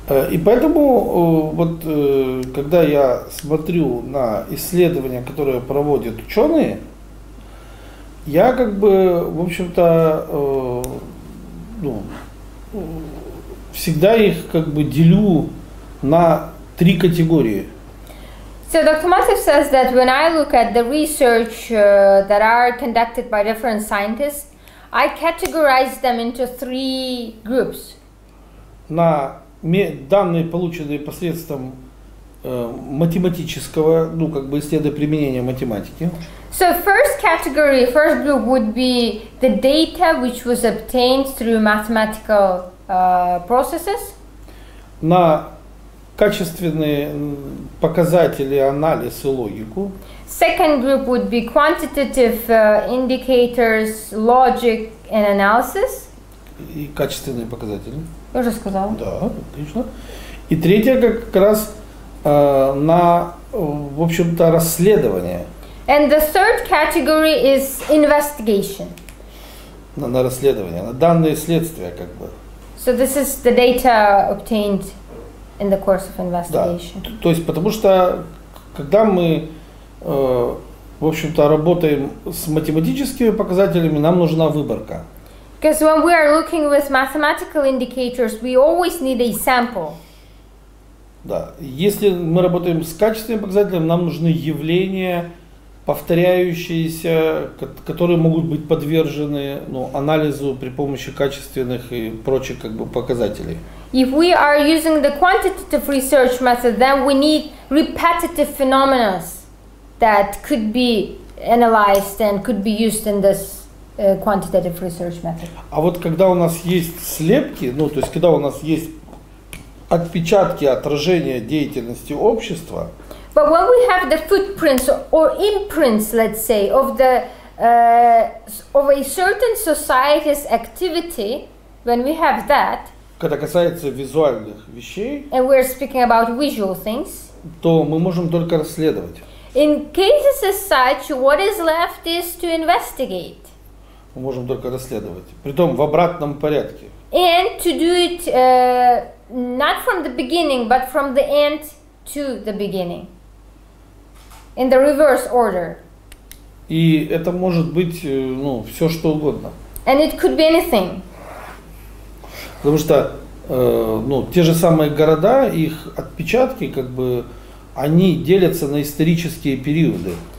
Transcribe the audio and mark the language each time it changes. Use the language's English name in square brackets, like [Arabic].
[Russian] И поэтому, вот, когда я смотрю на исследования, которые проводят ученые, я как бы, в общем-то, ну, всегда их как бы делю на три категории. [English] So Dr. Masif says that when I look at the research that are conducted by different scientists, I categorize them into three groups. [Russian] На данные, полученные посредством математического, ну как бы исследования применения математики. [English] So first category, first group would be the data which was obtained through mathematical processes. [Russian] На качественные показатели, анализ и логику. [English] Second group would be quantitative indicators, logic and analysis. [Russian] И качественные показатели. Я уже сказала. Да, отлично. И третье как раз на, в общем-то, расследование. [English] And the third category is investigation. [Russian] На расследование, на данные следствия как бы. [English] So this is the data obtained in the course of investigation. [Russian] Да. То есть потому что когда мы в общем-то работаем с математическими показателями, нам нужна выборка. [English] Because when we are looking with mathematical indicators, we always need a sample. [Russian] Да. Если мы работаем с качественными показателями, нам нужны явления, повторяющиеся, которые могут быть подвержены, ну, анализу при помощи качественных и прочих как бы показателей. [English] If we are using the quantitative research method, then we need repetitive phenomena that could be analyzed and could be used in this quantitative research method. [Russian] А вот когда у нас есть слепки, ну, то есть когда у нас есть отпечатки отражения деятельности общества. [English] But when we have the footprints or imprints, let's say, of the of a certain society's activity, when we have that, [Russian] когда касается визуальных вещей, [English] and we're speaking about visual things, [Russian] то мы можем только расследовать. [English] In cases as such, what is left is to investigate. [Russian] Мы можем только расследовать, притом в обратном порядке. [English] And to do it not from the beginning, but from the end to the beginning. In the reverse order. [Russian] И это может быть, ну, все что угодно. [English] And it could be anything. [Russian] Потому что, ну, те же самые города, их отпечатки, как бы, они делятся на исторические периоды.